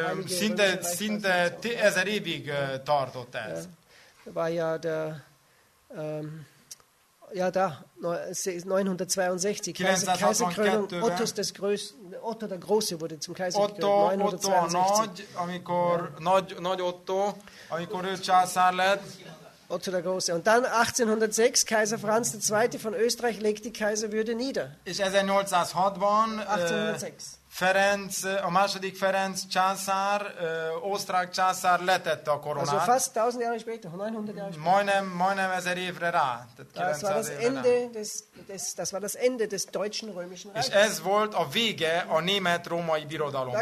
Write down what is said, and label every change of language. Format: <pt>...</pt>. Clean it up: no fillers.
<hu>Szinte 1000 évig tartott ez.</hu> <de>War ja der ja, da, 962, Kaiserkrönung Ottos des Größten, Otto der Große wurde zum Kaiser gekrönt, 962.</de> <hu>Otto a Nagy, amikor ja. Nagy Otto, amikor ő császár lett.</hu> <de>Otto der Große. Und dann 1806, Kaiser Franz II. Von Österreich legt die Kaiserwürde nieder.</de> <hu>És 1806-ban, Ferenc, a második Ferenc császár, osztrák császár letette a koronát.</hu> <de>Also fast 1000 Jahre später, 900 Jahre später.</de> <hu>Majdnem 1000 évre rá.</hu> <de>Das war das Ende des deutschen römischen Reiches.</de> <hu>És ez volt a vége a német-római birodalomnak.</hu>